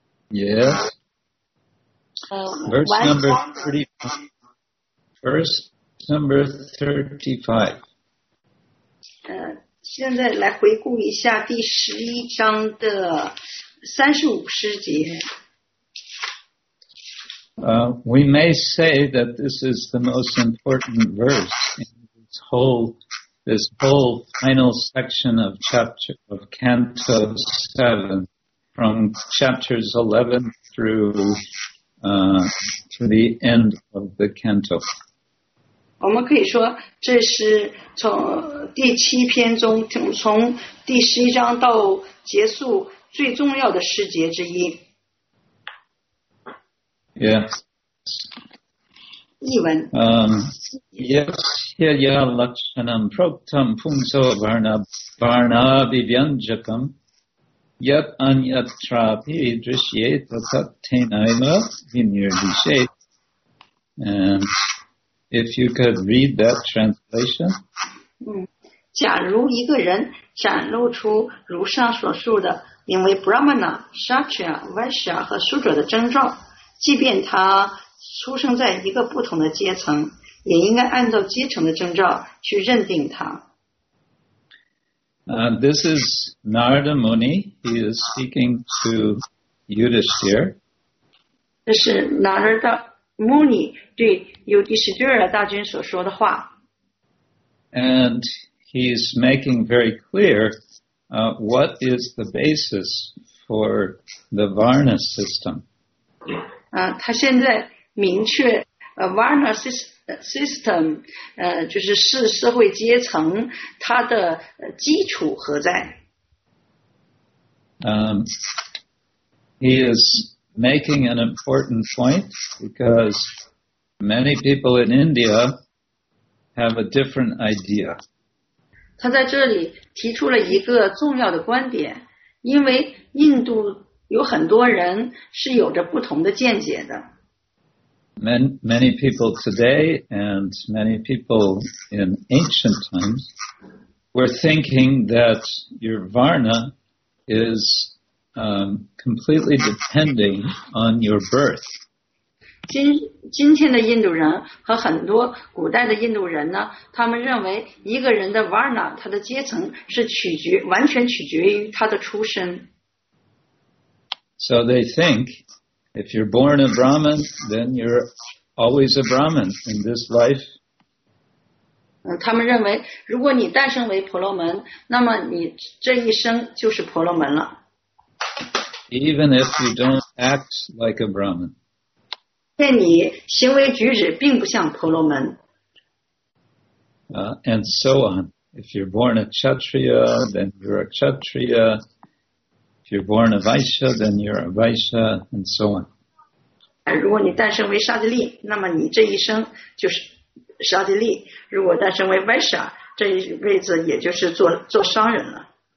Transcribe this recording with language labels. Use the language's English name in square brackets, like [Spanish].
[English] Yes. Verse number 35. Verse number 35. [Chinese] 现在来回顾一下第十一章的35节。 [English] We may say that this is the most important verse in this whole final section of chapter of Canto 7, from chapters 11 through to the end of the canto. [Chinese] 我们可以说这是从第七篇中从第十一章到结束最重要的诗节之一。 [English] Yes. [Chinese] 译文。 [English] Yes, [Sanskrit] Yalakshanam Proktam Punso Varnabhasam Varna vivyanjakam yat anyatrapi drishyet tat tenaiva vinirvishet. [English] If you could read that translation. [Chinese] 假如一个人展露出如上所述的名为 Brahmana, Kshatriya, Vaishya 和 Sudra 的征兆，即便他出生在一个不同的阶层，也应该按照阶层的征兆去认定他。 [English] This is Narada Muni. He is speaking to Yudhishthira. [Chinese] 这是 Narada Muni 对 Yudhishthira 大君所说的话。 [English] And he's making very clear what is the basis for the Varna system. [Chinese] 他现在明确 Varna [English] system. System, [Chinese] 就是是社会阶层它的基础何在 [English] He is making an important point because many people in India have a different idea. [Chinese] 他在这里提出了一个重要的观点，因为印度有很多人是有着不同的见解的。 [English] Many people today and many people in ancient times were thinking that your varna is completely depending on your birth. [Chinese] 今天的印度人和很多古代的印度人呢，他们认为一个人的 varna 他的阶层是完全取决于他的出身。 [English] So they think. If you're born a Brahmin, then you're always a Brahmin in this life. [Chinese] 他们认为如果你诞生为婆罗门，那么你这一生就是婆罗门了。 [English] Even if you don't act like a Brahmin. [Chinese] 但你行为举止并不像婆罗门。 [English] And so on. If you're born a Kshatriya, then you're a Kshatriya. If you're born a Vaishya, then you're a Vaishya, and so on. [Chinese] 如果你诞生为沙地利，那么你这一生就是沙地利。如果诞生为 Vaishya, 这一辈子也就是做商人了。